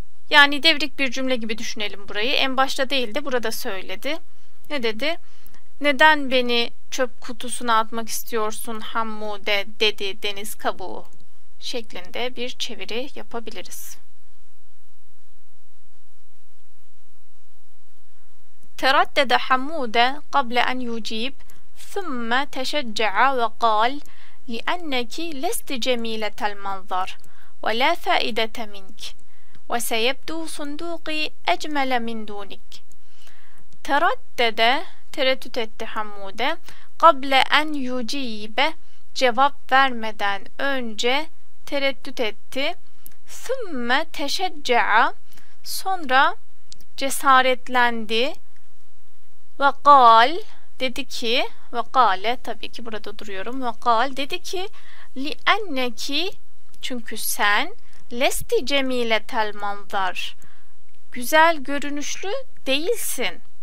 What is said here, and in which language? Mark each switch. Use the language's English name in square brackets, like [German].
[Turkish] Yani devrik bir cümle gibi düşünelim burayı. En başta değil de burada söyledi. Ne dedi? Neden beni çöp kutusuna atmak istiyorsun Hammude dedi deniz kabuğu şeklinde bir çeviri yapabiliriz. [Arabic] Tereddede Hammude قبل أن يجيب ثم تشجع وقال لأنك لست جميلة المنظر ولا فائدة منك وسيبدو صندوقي أجمل من دونك. [Turkish] Tereddede, tereddüt etti Hammude. [Arabic] Qable en yucibe, [Turkish] cevap vermeden önce tereddüt etti. [Arabic] Sümme teşecca, [Turkish] sonra cesaretlendi. Ve kal, dedi ki, ve kale, tabii ki burada duruyorum. Ve kal, dedi ki, [Arabic] li enneki, [Turkish] çünkü sen, [Arabic] lesti cemiletel manzar, [Turkish] güzel görünüşlü değilsin.